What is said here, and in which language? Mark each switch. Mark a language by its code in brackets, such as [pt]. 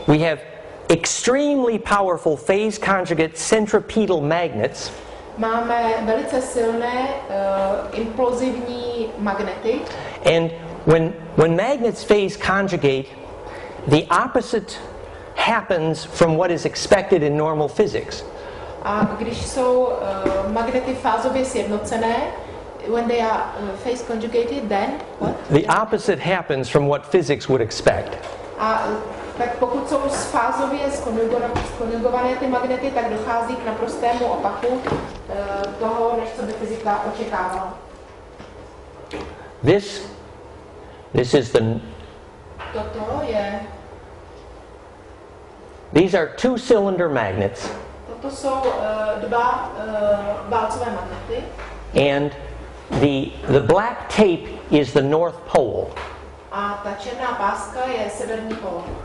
[en] We have extremely powerful phase conjugate centripetal magnets. [cs] Máme velice silné implozivní magnety. [en] And when magnets phase conjugate, the opposite happens from what is expected in normal physics. [cs] A když jsou magnety fázově sjednocené, [en] when they are phase conjugated, then what? The opposite happens from what physics would expect. [cs] A tak pokud jsou fázově skonjugované ty magnety, tak dochází k naprostému opaku toho, než co by fyzika očekávala. [en] This is the. [cs] Toto je. [en] These are two cylinder magnets. [cs] Toto jsou dva válcové magnety. [en] And the black tape is the North Pole. [cs] A ta černá páska je severní pól.